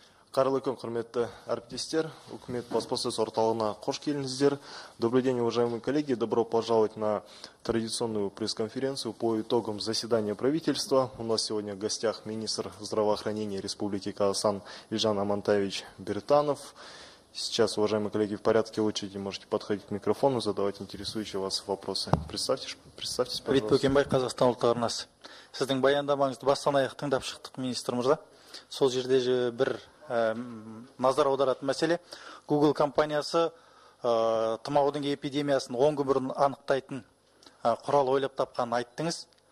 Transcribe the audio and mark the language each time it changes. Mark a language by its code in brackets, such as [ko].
[kk] Қайырлы күн, құрметті әріптестер, үкімет баспасөз орталығына қош келдіңіздер. [ru] Добрый день, уважаемые коллеги, добро пожаловать на традиционную пресс-конференцию по итогам заседания правительства. У нас сегодня в гостях министр здравоохранения Республики Казахстан Ильжан Амантаевич Биртанов. Сейчас, уважаемые коллеги, в порядке очереди можете подходить к микрофону, задавать интересующие вас вопросы. Представьтесь, пожалуйста. [kk] Привет, Бөкенбай, Казахстан Ұлтарнас. Сіздің баяндамаңызды бастан аяқтан деп шықтық, министр мырза. Сол жерде бір назар аударатын мәселе. Google компаниясы тымаудың эпидемиясын 10 күн бұрын анықтайтын құрал ойлап тапқанын айттыңыз.